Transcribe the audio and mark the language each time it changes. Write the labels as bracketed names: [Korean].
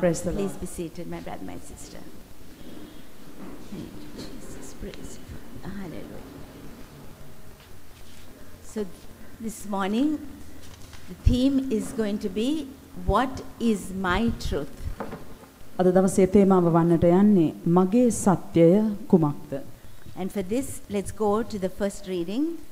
[English] Praise the Lord. Please be seated, my brother, my sister. Thank you, Jesus. Praise you. Hallelujah. So this morning, the theme is going to be, what is my truth? [Sinhala] අද දවසේ තේමාව වන්නට යන්නේ මගේ සත්‍යය කුමක්ද? [English] And for this, let's go to the first reading.